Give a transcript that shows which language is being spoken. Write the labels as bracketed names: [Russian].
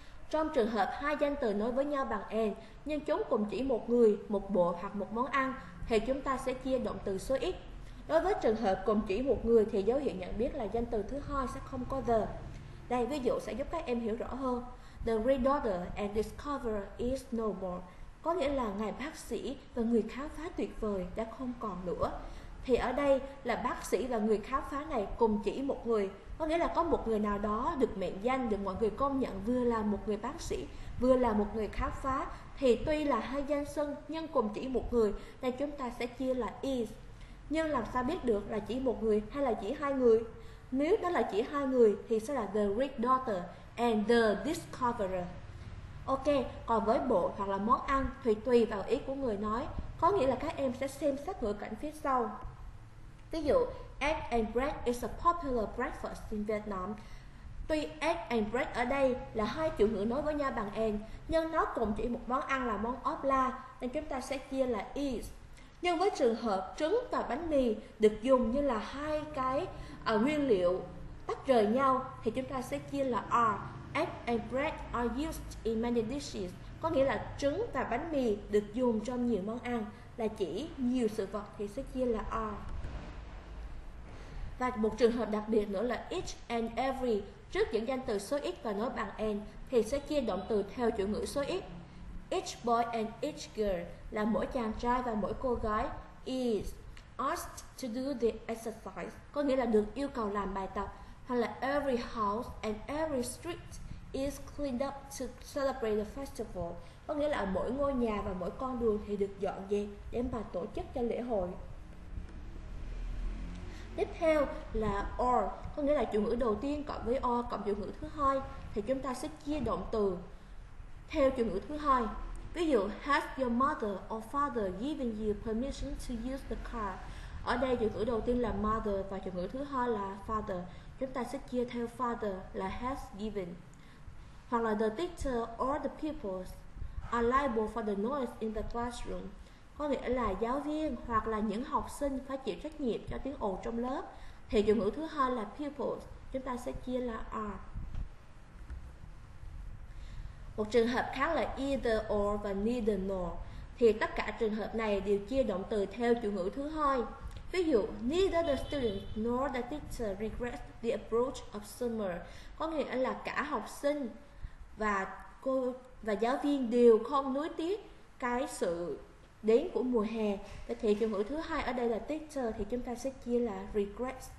[Vietnamese] Trong trường hợp hai danh từ nối với nhau bằng and nhưng chúng cùng chỉ một người, một bộ hoặc một món ăn thì chúng ta sẽ chia động từ số ít. Đối với trường hợp cùng chỉ một người thì dấu hiệu nhận biết là danh từ thứ hai sẽ không có the. Đây ví dụ sẽ giúp các em hiểu rõ hơn. [English] The granddaughter and discoverer is no more. [Vietnamese] Có nghĩa là ngài bác sĩ và người khám phá tuyệt vời đã không còn nữa. Thì ở đây là bác sĩ và người khám phá này cùng chỉ một người. Có nghĩa là có một người nào đó được mệnh danh, được mọi người công nhận vừa là một người bác sĩ, vừa là một người khám phá. Thì tuy là hai danh xưng nhưng cùng chỉ một người, nên chúng ta sẽ chia là is. Nhưng làm sao biết được là chỉ một người hay là chỉ hai người? Nếu đó là chỉ hai người thì sẽ là [English] the great daughter and the discoverer. [Vietnamese] Ok, còn với bộ hoặc là món ăn thì tùy vào ý của người nói. Có nghĩa là các em sẽ xem xét ngữ cảnh phía sau. Ví dụ, [English] egg and bread is a popular breakfast in Vietnam. [Vietnamese] Tuy [English] egg and bread [Vietnamese] ở đây là hai chữ ngữ nói với nhau bằng and, nhưng nó cùng chỉ một món ăn là món ốp la, nên chúng ta sẽ chia là is. Nhưng với trường hợp trứng và bánh mì được dùng như là hai cái nguyên liệu tách rời nhau thì chúng ta sẽ chia là are. [English] Egg and bread are used in many dishes. [Vietnamese] Có nghĩa là trứng và bánh mì được dùng trong nhiều món ăn, là chỉ nhiều sự vật thì sẽ chia là are. Và một trường hợp đặc biệt nữa là each and every. Trước những danh từ số ít và nói bằng and thì sẽ chia động từ theo chủ ngữ số ít. [English] Each boy and each girl [Vietnamese] là mỗi chàng trai và mỗi cô gái. [English] Is asked to do the exercise, [Vietnamese] có nghĩa là được yêu cầu làm bài tập. Hoặc là [English] every house and every street is cleaned up to celebrate the festival, [Vietnamese] có nghĩa là mỗi ngôi nhà và mỗi con đường thì được dọn dẹp để mà tổ chức cho lễ hội. Tiếp theo là or, có nghĩa là chủ ngữ đầu tiên cộng với or cộng chủ ngữ thứ hai thì chúng ta sẽ chia động từ theo chủ ngữ thứ hai. Ví dụ, [English] has your mother or father given you permission to use the car? [Vietnamese] Ở đây chủ ngữ đầu tiên là mother và chủ ngữ thứ hai là father. Chúng ta sẽ chia theo father là has given. Hoặc là [English] the teacher or the pupils are liable for the noise in the classroom. [Vietnamese] Có nghĩa là giáo viên hoặc là những học sinh phải chịu trách nhiệm cho tiếng ồn trong lớp. Thì chủ ngữ thứ hai là pupils, chúng ta sẽ chia là are. Một trường hợp khác là either or và neither nor. Thì tất cả trường hợp này đều chia động từ theo chủ ngữ thứ hai. Ví dụ, [English] neither the student nor the teacher regret the approach of summer. [Vietnamese] Có nghĩa là cả học sinh và cô và giáo viên đều không nuối tiếc cái sự đến của mùa hè. Vậy thì chủ ngữ thứ hai ở đây là teacher thì chúng ta sẽ chia là regret.